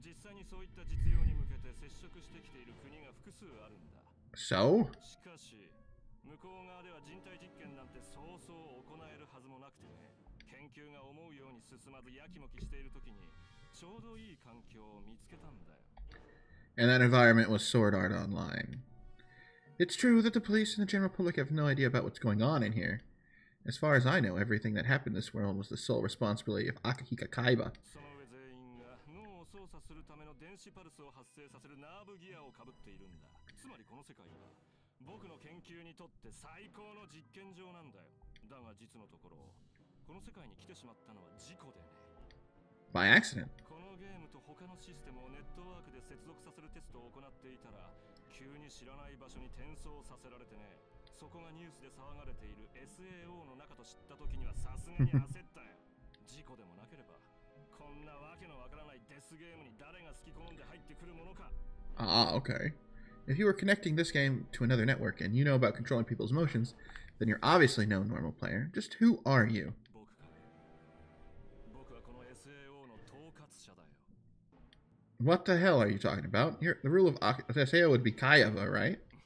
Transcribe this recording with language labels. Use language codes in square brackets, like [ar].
[ja] 実際にそういった実用に向けて接触してきている国が複数あるんだ。 [en] So? [ja] しかし、向こう側では人体実験なんてそうそう行えるはずもなくてね。研究が思うように進まずやきもきしているときに、ちょうどいい環境を見つけたんだよ。 [en] And that environment was Sword Art Online. It's true that the police and the general public have no idea about what's going on in here. As far as I know, everything that happened in this world was the sole responsibility of Akihiko Kaiba. [ja] その上全員が脳を操作するための電子パルスを発生させるナーブギアをかぶっているんだ。つまりこの世界は僕の研究にとって最高の実験場なんだよ。だが実のところ、この世界に来てしまったのは事故でね。 [en] By accident. [ja] このゲームと他のシステムをネットワークで接続させるテストを行っていたら、急に知らない場所に転送させられてね。そこがニュースで騒がれている SAO の中と知った時にはさすがに焦ったよ。事故でもなければ、こんなわけのわからないデスゲームに誰が好き好んで入ってくるものか。 [en] Okay. If you were connecting this game to another network and you know about controlling people's emotions, then you're obviously no normal player. Just who are you? [ja] 僕かね。僕はこの SAO の統括者だよ。 [en] What the hell are you talking about? The rule of SAO would be Kaiba, right?